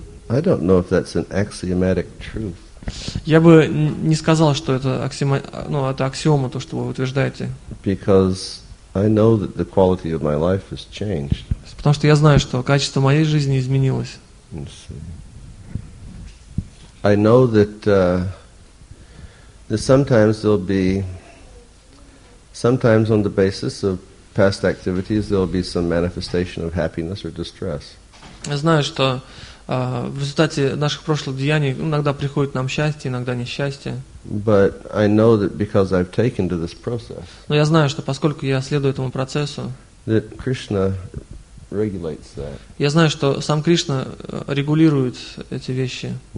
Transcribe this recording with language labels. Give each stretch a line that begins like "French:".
English: I don't know if that's an axiomatic truth.
Russian: Я бы не сказал, что это аксиома, ну, это аксиома то, что вы утверждаете.
English: Because I know that the quality of my life has changed.
Russian: Потому что я знаю, что качество моей жизни изменилось.
English: Let's see. I know that sometimes on the basis of past activities there'll be some manifestation of happiness or distress.
Russian: Я знаю, что в результате наших прошлых деяний иногда приходит нам счастье, иногда несчастье.
English: But I know that because I've taken to this process,
Russian: но я знаю, что поскольку я следую этому процессу,
English: that Krishna regulates that.
Russian: Я знаю, что сам Кришна регулирует эти вещи.